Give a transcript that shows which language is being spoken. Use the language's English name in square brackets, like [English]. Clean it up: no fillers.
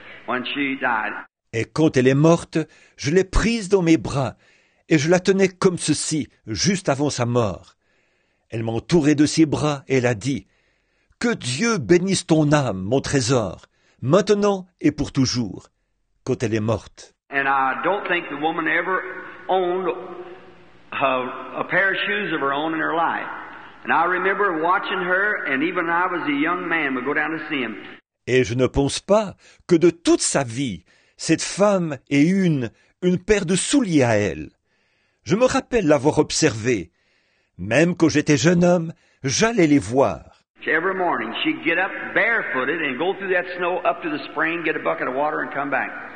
[English] When she died. [French] Et quand elle est morte, je l'ai prise dans mes bras et je la tenais comme ceci juste avant sa mort. Elle m'entourait de ses bras et elle a dit, « Que Dieu bénisse ton âme, mon trésor, maintenant et pour toujours, quand elle est morte. » [English] And I don't think the woman ever owned a pair of shoes of her own in her life. And I remember watching her, and even when I was a young man, would go down to see him. [French] Et je ne pense pas que de toute sa vie, cette femme ait une paire de souliers à elle. Je me rappelle l'avoir observée. Même quand j'étais jeune homme, j'allais les voir. [English] Every morning, she'd get up barefooted and go through that snow up to the spring, get a bucket of water and come back.